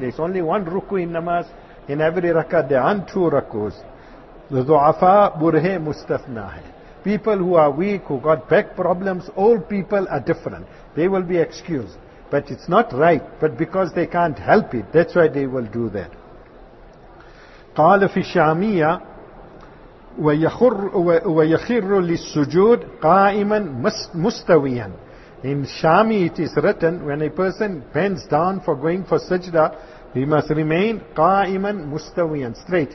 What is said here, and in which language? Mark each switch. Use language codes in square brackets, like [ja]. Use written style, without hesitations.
[en] There's only one ruku in namaz. In every rakah there are two rukus. The [ur] du'afa burhe mustafna hai. [en] People who are weak, who got back problems, old people are different. They will be excused. But it's not right. But because they can't help it, that's why they will do that. [ar] قال في الشامية وَيَخِرُّ لِلسُّجُودِ قَائِمًا مُسْتَوِيًا. [en] In Shami it is written, when a person bends down for going for sajda, he must remain [ar] قَائِمًا مُسْتَوِيًا, [en] straight.